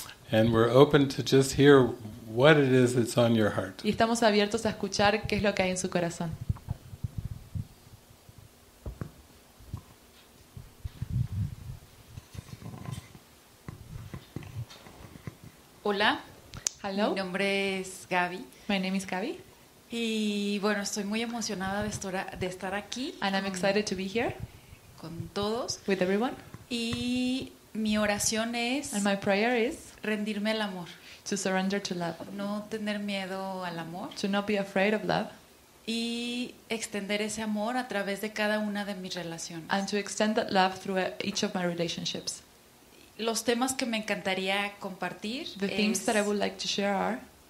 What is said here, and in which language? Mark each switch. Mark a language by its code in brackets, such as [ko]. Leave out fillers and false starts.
[en] And we're open to just hear what it is that's on your heart. [es] Y estamos abiertos a escuchar qué es lo que hay en su corazón. Hola. [en] Hello. [es] Mi nombre es Gaby. [en] My name is Gaby. [es] Y bueno, estoy muy emocionada de estar aquí. [en] And I'm excited to be here. [es] Con todos. [en] With everyone. [es] Y mi oración es. [en] And my prayer is. [es] Rendirme al amor. [en] To surrender to love. [es] No tener miedo al amor. [en] To not be afraid of love. [es] Y extender ese amor a través de cada una de mis relaciones. [en] And to extend that love through each of my relationships. [es] Los temas que me encantaría compartir. [en] The themes that I would like to share are